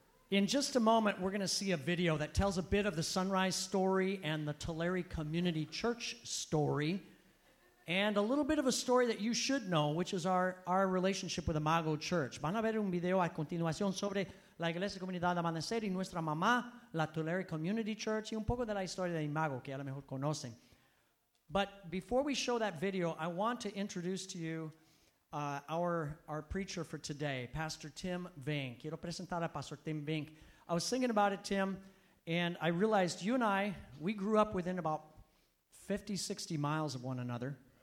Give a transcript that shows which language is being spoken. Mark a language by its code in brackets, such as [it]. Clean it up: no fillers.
[en] In just a moment, we're going to see a video that tells a bit of the Sunrise story and the Tulare Community Church story, and a little bit of a story that you should know, which is our relationship with Imago Church. [es] Van a ver un video a continuación sobre la Iglesia Comunidad de Amanecer y nuestra mamá, la Tulare Community Church, y un poco de la historia de Imago, que a lo mejor conocen. [en] But before we show that video, I want to introduce to you our preacher for today, Pastor Tim Vink. [es] Quiero presentar a Pastor Tim Vink. [en] I was thinking about it, Tim, and I realized you and I, we grew up within about 50, 60 miles of one another.